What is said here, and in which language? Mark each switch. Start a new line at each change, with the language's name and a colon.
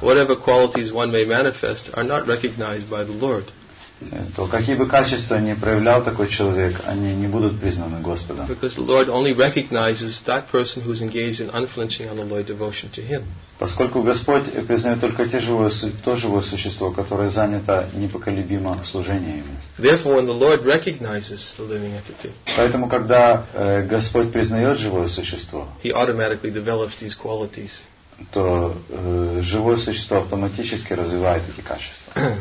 English: whatever qualities one may manifest are not recognized by the Lord.
Russian: То какие бы качества ни проявлял такой человек, они не будут признаны Господом.
English: Because the Lord only recognizes that person who is engaged in unflinching unalloyed devotion to Him.
Russian: Поскольку Господь признает только то живое существо, которое занято непоколебимо служением.
English: Therefore, when the Lord recognizes the living entity,
Russian: поэтому когда Господь признает живое существо,
English: He automatically develops these qualities.
Russian: То живое существо автоматически развивает эти качества.